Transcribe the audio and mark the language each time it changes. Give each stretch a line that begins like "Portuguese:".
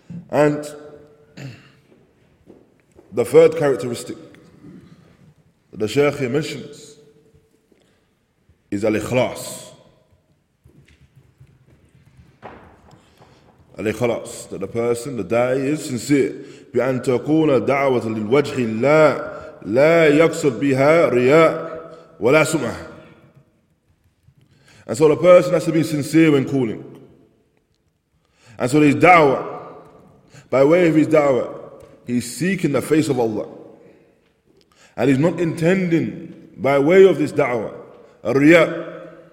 English: And the third characteristic that the Shaykh mentions is al-ikhlas. Al-ikhlas, that the person, the da'i is sincere.
Arabic: بأن تكون دعوة للوجه الله لا يقصد بها رياء ولا سمعة.
English: And so the person has to be sincere when calling. And so his da'wah, by way of his da'wah, he's seeking the face of Allah. And he's not intending by way of this da'wah, a riya.